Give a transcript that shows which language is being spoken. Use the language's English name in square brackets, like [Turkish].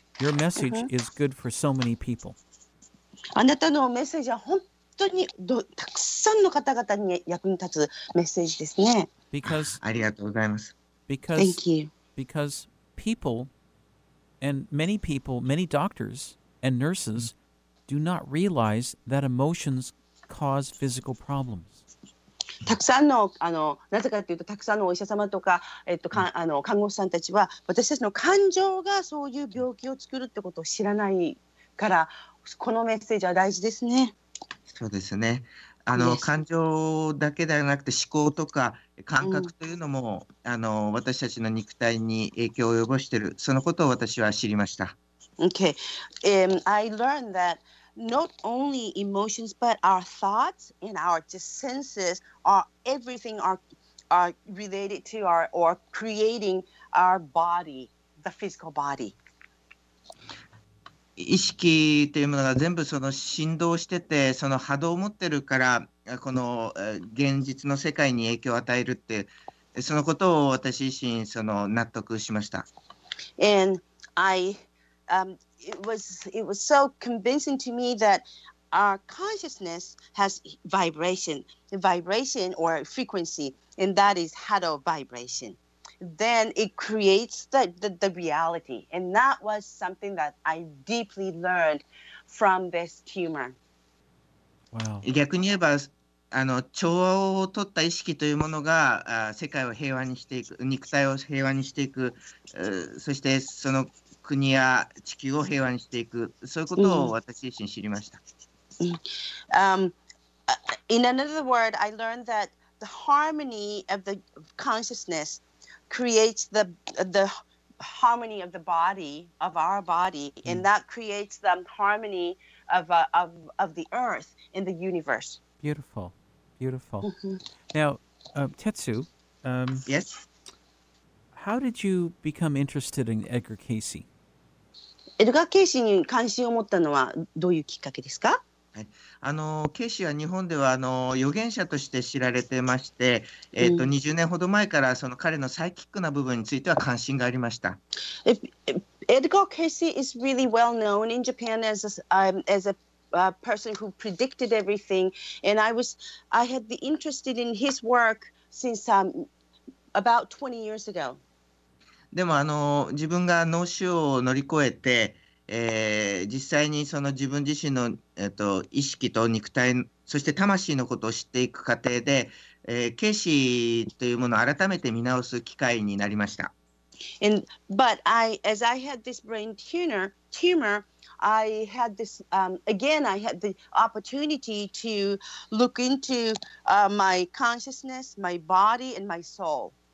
[English] Your message is good for so many people. [Japanese] あなたのメッセージは本当にたくさんの方々に役に立つメッセージですね。 [English] Because, [Japanese] ありがとうございます。 [English] Because, Thank you. Because people and many people, many doctors and nurses do not realize that emotions cause physical problems. [Japanese] たくさんの、あの、なぜかというと、たくさんのお医者様とか、かあの看護師さんたちは、私たちの感情がそういう病気を作るってことを知らないから、このメッセージは大事ですね。そうですね。あの、yes. 感情だけではなくて、思考とか感覚というのも、うん、あの、私たちの肉体に影響を及ぼしている、そのことを私は知りました。 [English] Okay. I learned that. Not only emotions, but our thoughts and our just senses are everything are related to our or creating our body, the physical body. [Japanese] 意識というものが全部その振動してて、その波動を持ってるから、この現実の世界に影響を与えるって、そのことを私自身その納得しました。 [English] And I... It was so convincing to me that our consciousness has vibration or frequency, and that is hado vibration. Then it creates the reality, and that was something that I deeply learned from this tumor. Wow. [Japanese] 逆に言えば、あの調和を取った意識というものが、世界を平和にしていく、肉体を平和にしていく、そしてその国や地球を平和にしていく、そういうことを私自身知りました。 [English] In another word, I learned that the harmony of the consciousness creates the harmony of the body, of our body, and that creates the harmony of the earth in the universe. Beautiful. beautiful. Now, Tetsu. Yes. How did you become interested in Edgar Casey? [Japanese] Edgar Casey に関心を持ったのはどういうきっかけですか？ケイシーは日本では預言者として知られてまして、20年ほど前からその彼のサイキックな部分については関心がありました。 [English] Edgar Casey is really well known in Japan as a person who predicted everything, and I had the interest in his work since about 20 years ago. [Japanese] でも自分が脳腫瘍を乗り越えて実際にその自分自身の、意識と肉体そして魂のことを知っていく過程で、ケイシーというものを改めて見直す機会になりました。 [English] And, But I, as I had this brain tumor, I had this, again, I had the opportunity to look into, my consciousness, my body, and my soul.